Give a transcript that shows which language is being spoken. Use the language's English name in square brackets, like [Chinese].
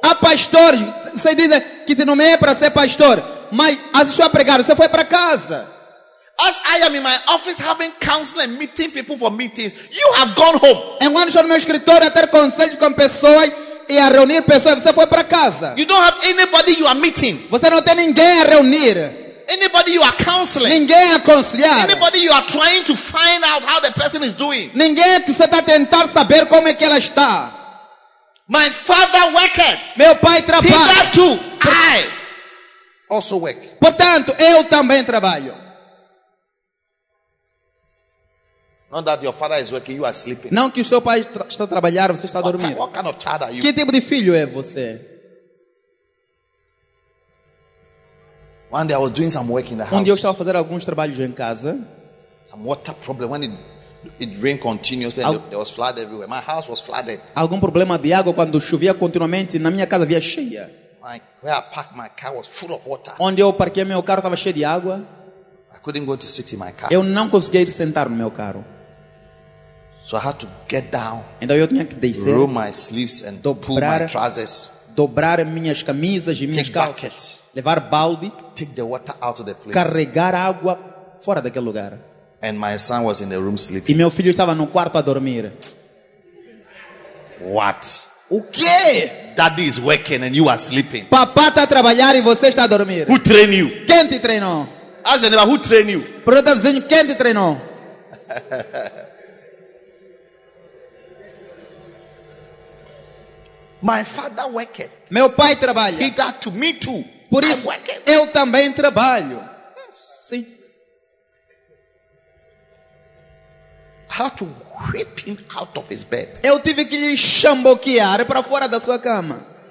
[Portuguese] Há pastores, você diz que te nomeei para ser pastor, mas as estou a pregar, você foi para casa. [English] As I am in my office having counsel and meeting people for meetings, you have gone home. [Portuguese] Enquanto estou no meu escritório a ter conselho com pessoas e a reunir pessoas, você foi para casa. [English] You don't have anybody you are meeting. [Portuguese] Você não tem ninguém a reunir. [English] Anybody you are counseling. [Portuguese] Ninguém a aconselhar. [English] Anybody you are trying to find out how the person is doing. [Portuguese] Ninguém que você está a tentar saber como é que ela está. [English] My father worked. [Portuguese] Meu pai trabalha. [English] He that too, I also work. [Portuguese] Portanto, eu também trabalho. [English] Not that your father is working, you are sleeping. [Portuguese] Não que o seu pai está a trabalhar, você está a dormir. [English] What kind of child are you? [Portuguese] Que tipo de filho é você? [English] One day I was doing some work in the house. [Portuguese] Um dia eu estava a fazer alguns trabalhos em casa. [English] Some water problem when it rained continuously, there was flood everywhere. My house was flooded. [Portuguese] Algum problema de água quando chovia continuamente na minha casa, via cheia. [English] Where I parked my car was full of water. [Portuguese] Onde eu parquei meu carro estava cheio de água. [English] I couldn't go to sit in my car. [Portuguese] Eu não conseguia ir sentar no meu carro. [English] So I had to get down. [Portuguese] Então eu tinha que descer. [English] Roll my sleeves and dobrar, pull my trousers. [Portuguese] Dobrar minhas camisas e minhas calças. [English] Bucket, [Portuguese] levar balde. [English] Take the water out of the place. [Portuguese] Carregar água fora daquele lugar. [English] And my son was in the room sleeping. [Portuguese] E meu filho estava no quarto a dormir. [English] What? [Portuguese] O quê? [English] Daddy is working and you are sleeping. [Portuguese] Papá está a trabalhar e você está a dormir. [English] Who trained you? [Portuguese] Quem te treinou? [English] Ask your neighbor, who trained you? [Portuguese] Por outro vizinho, quem te treinou? [English] My father worked. [Portuguese] Meu pai trabalha. [English] He got to me too. [Portuguese] Por isso, eu também trabalho. [English] Yes. [Portuguese] Sim. [English] How to whip him out of his bed. [Portuguese] Eu tive que lhe chamboquear para fora da sua cama.